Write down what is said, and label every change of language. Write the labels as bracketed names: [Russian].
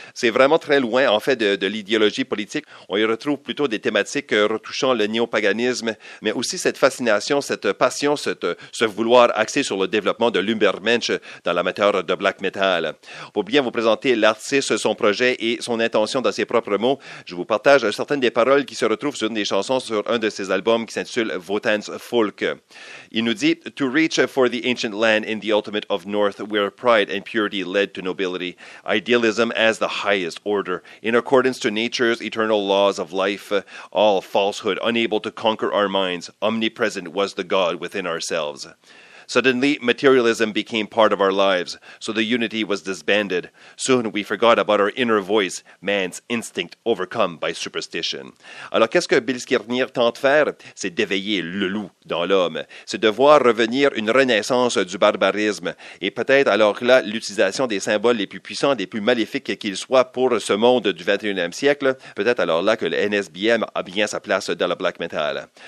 [French] C'est vraiment très loin en fait de l'idéologie politique. On y retrouve plutôt des thématiques retouchant le néopaganisme, mais aussi cette fascination, cette passion, ce vouloir axé sur le développement de l'Ubermensch dans l'amateur de black metal. Pour bien vous présenter l'artiste, son projet et son intention dans ses propres mots, je vous partage certaines des paroles qui se retrouvent sur une des chansons sur un de ses albums qui s'intitule Wotan's Folk. Il nous dit [English] « To reach for the ancient land in the ultimate of North, where pride and purity led to nobility, idealism as the highest order, in accordance to nature's eternal laws of life, all falsehood unable to conquer our minds, omnipresent was the God within ourselves. » Suddenly, materialism became part of our lives, so the unity was disbanded. Soon, we forgot about our inner voice, man's instinct overcome by superstition. [French] Alors, qu'est-ce que Bill Skirnir tente de faire? C'est d'éveiller le loup dans l'homme. C'est de voir revenir une renaissance du barbarisme. Et peut-être, alors que là, l'utilisation des symboles les plus puissants, les plus maléfiques qu'ils soient pour ce monde du 21e siècle, peut-être alors là que le NSBM a bien sa place dans le black metal.